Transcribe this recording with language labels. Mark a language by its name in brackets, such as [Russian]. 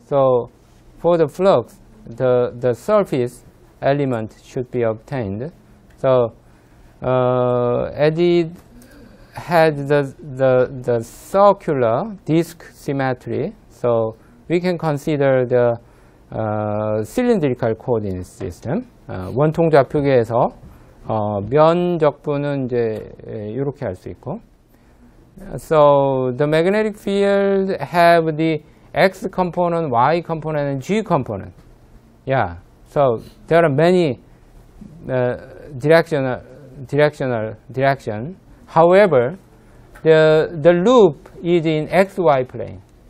[English] So for the flux, the surface element should be obtained. So added had the circular disk symmetry, so we can consider the cylindrical coordinate system. [Korean] 원통좌표계에서 면적분은 이제 이렇게 할 수 있고. [English] So the magnetic field have the x component, y component, and g component. Yeah. So there are many direction. However, the loop is in XY plane.